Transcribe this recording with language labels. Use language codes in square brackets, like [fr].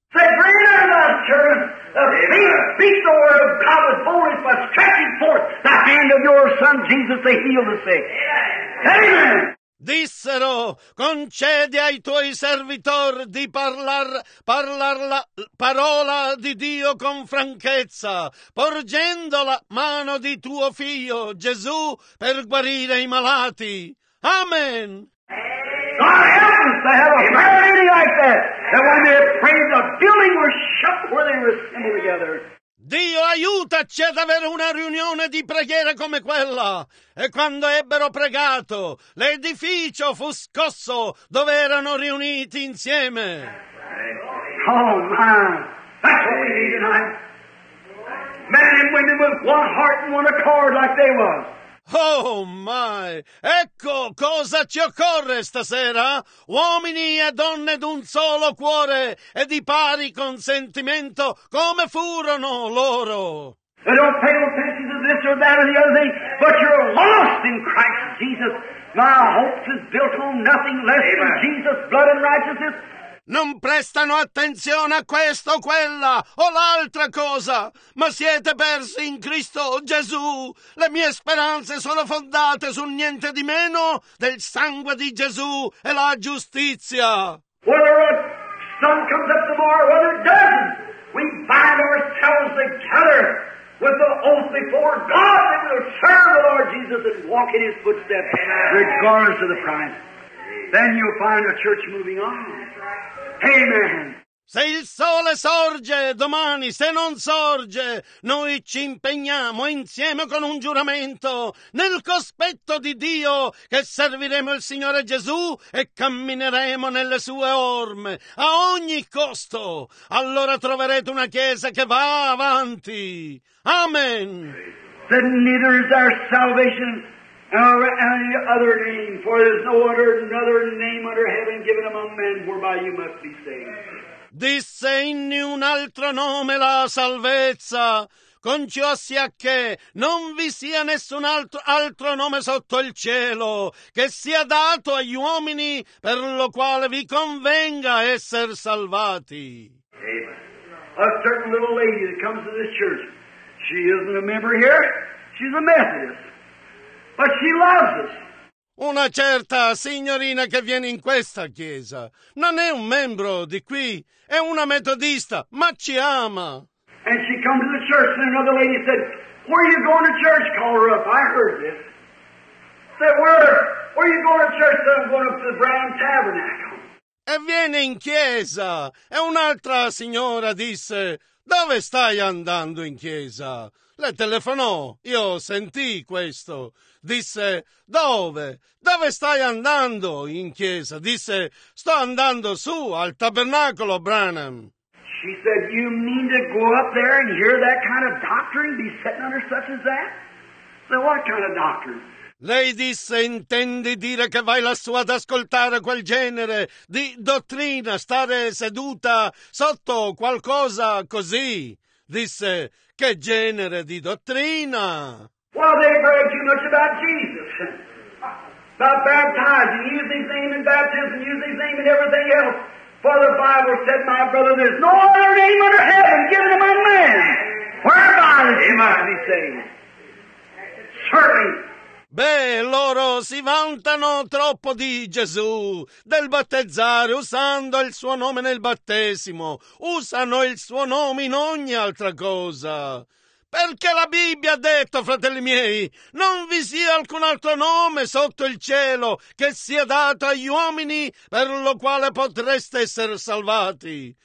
[en] Say, bring it unto us, church. Speak the word of God with boldness by stretching forth the hand of your son Jesus to heal the sick. Amen. [it] Dissero, concedi ai tuoi servitori di parlare la parola di Dio con franchezza, porgendo la mano di tuo figlio Gesù per guarire i malati. Amen. [en] God help us to have a prayer meeting like that. That when they prayed, the building was shut where they were assembled together. [it] Dio aiutaci ad avere una riunione di preghiera come quella. E quando ebbero pregato, l'edificio fu scosso dove erano riuniti insieme. [en] Oh, man. That's what we need tonight. Men and women with one heart and one accord like they were. Oh my! [it] Ecco cosa ci occorre stasera, uomini e donne d'un solo cuore e di pari consentimento, come furono loro. [en] They don't pay attention to this or that or the other thing, but you're lost in Christ Jesus. My hope is built on nothing less Amen. Than Jesus' blood and righteousness. [it] Non prestano attenzione a questo, quella o l'altra cosa, ma siete persi in Cristo Gesù. Le mie speranze sono fondate su niente di meno del sangue di Gesù e la giustizia. [en] Whether the sun comes up tomorrow, whether it doesn't, we bind ourselves together with the oath before God that we'll serve the Lord Jesus and walk in His footsteps, regardless of the price. Then you'll find a church moving on. Amen. [it] Se il sole sorge domani, se non sorge, noi ci impegniamo insieme con un giuramento nel cospetto di Dio che serviremo il Signore Gesù e cammineremo nelle sue orme a ogni costo. Allora troverete una chiesa che va avanti. Amen. [en] Then neither is our salvation or any other name, for there is no other another name under heaven given among men whereby you must be saved. [it] Disse inni un altro nome la salvezza, con ciò sia che non vi sia nessun altro nome sotto il cielo che sia dato agli uomini per lo quale vi convenga essere salvati. Amen. [en] A certain little lady that comes to this church, she isn't a member here, she's a Methodist. But she loves us. [it] Una certa signorina che viene in questa chiesa non è un membro di qui, è una metodista, ma ci ama. [en] And she comes to the church, and another lady said, "Where are you going to church?" Call her up. I heard this. Said, "Where are you going to church?" Said, "I'm going up to the Brown Tabernacle." [it] E viene in chiesa, e un'altra signora disse, "Dove stai andando in chiesa?" Le telefonò, io sentì questo. Disse, "Dove? Dove stai andando in chiesa?" Disse, "Sto andando su al tabernacolo, Branham." [en] She said, "You mean to go up there and hear that kind of doctrine, be sitting under such as that?" So what kind of doctrine? [it] Lei disse, "Intendi dire che vai lassù ad ascoltare quel genere di dottrina, stare seduta sotto qualcosa così?" Disse, "Che genere di dottrina?" [en] Well, they brag too much about Jesus, about baptizing, using his name in baptism, using his name in everything else. For the Bible said, "My brother, there's no other name under heaven given among men whereby he might be saved." Certainly. [it] Beh, loro si vantano troppo di Gesù, del battezzare, usando il suo nome nel battesimo. Usano il suo nome in ogni altra cosa. Perché la Bibbia ha detto, fratelli miei, non vi sia alcun altro nome sotto il cielo che sia dato agli uomini per lo quale potreste essere salvati.